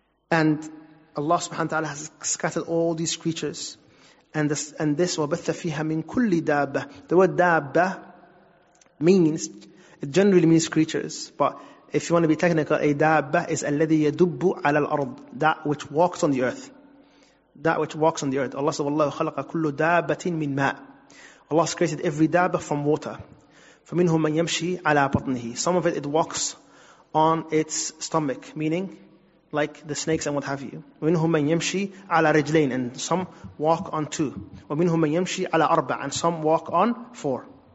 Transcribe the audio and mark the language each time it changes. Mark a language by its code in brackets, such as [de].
[en] And Allah subhanahu wa ta'ala has scattered all these creatures. And this, [ar] وَبَثَّ فِيهَا مِنْ كُلِّ دَابَّةِ. [en] The word dabba means, it generally means creatures, but if you want to be technical, a dabba is [ar] الَّذِي يَدُبُّ عَلَى الْأَرْضِ, [en] that which walks on the earth. That which walks on the earth. Allah said, [ar] وَاللَّهُ خَلَقَ كُلُّ دَابَّةٍ مِنْ مَاءٍ. [en] Allah has created every dabba from water. [ar] فَمِنْهُمْ مَنْ يَمْشِي عَلَى بَطْنِهِ. [en] Some of it walks on its stomach, meaning like the snakes and what have you. [ar] وَمِنْهُمْ مَنْ يَمْشِي عَلَى رِجْلَيْنِ, [en] and some walk on two. [ar] وَمِنْهُمْ مَنْ يَمْشِي عَلَى أَرْبَعٍ, [en] and some walk on four.